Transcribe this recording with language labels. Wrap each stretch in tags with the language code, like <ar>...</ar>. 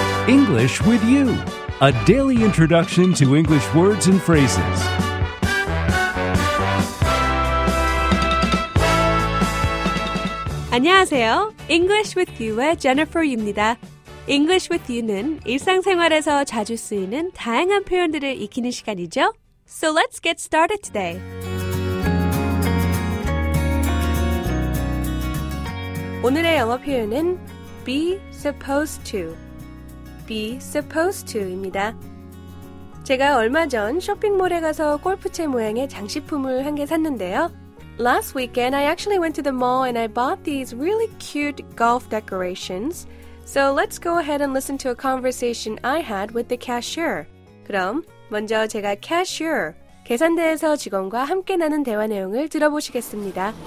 <en>English with you, a daily introduction to English words and phrases. Hello,</en> <ko>English with you의 Jennifer입니다. English with you는 일상생활에서 자주 쓰이는 다양한 표현들을 익히는 시간이죠.</ko> <en>So let's get started today.</en> <ko>오늘의 영어 표현은 be supposed to.</ko> <en>be supposed to입니다.</en> <ko>제가 얼마 전 쇼핑몰에 가서 골프채 모양의 장식품을 한 개 샀는데요.</ko> <en>Last weekend, I actually went to the mall and I bought these really cute golf decorations. So let's go ahead and listen to a conversation I had with the cashier.</en> <ko>그럼 먼저 제가 cashier, 계산대에서 직원과 함께 나눈 대화 내용을 들어보시겠습니다.</ko>